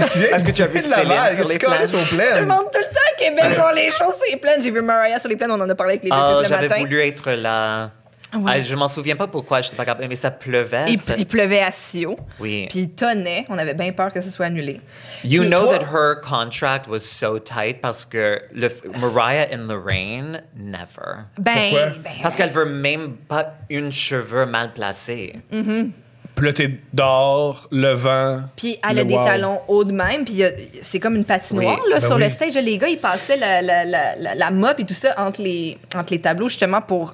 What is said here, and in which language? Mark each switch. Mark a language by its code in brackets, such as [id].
[fr] Est-ce que tu as vu Céline sur les plaines? Je monte tout le temps à Québec sur les choses, c'est plein. J'ai vu Mariah sur les plaines, on en a parlé avec les filles le j'avais J'avais voulu être là. Ouais. Je m'en souviens pas pourquoi, je n'étais pas capable, mais ça pleuvait. Il pleuvait à Sio. Oui. Puis il tonnait, on avait bien peur que ça soit annulé. [en] You know that her contract was so tight parce que Mariah in the rain, never. [fr] Ben, pourquoi? Parce qu'elle veut même pas une cheveu mal placée. Mm-hmm. Pleuté d'or, le vent. Puis elle a des talons hauts de même, puis c'est comme une patinoire le stage. Les gars, ils passaient la mop et tout ça entre les tableaux, justement, pour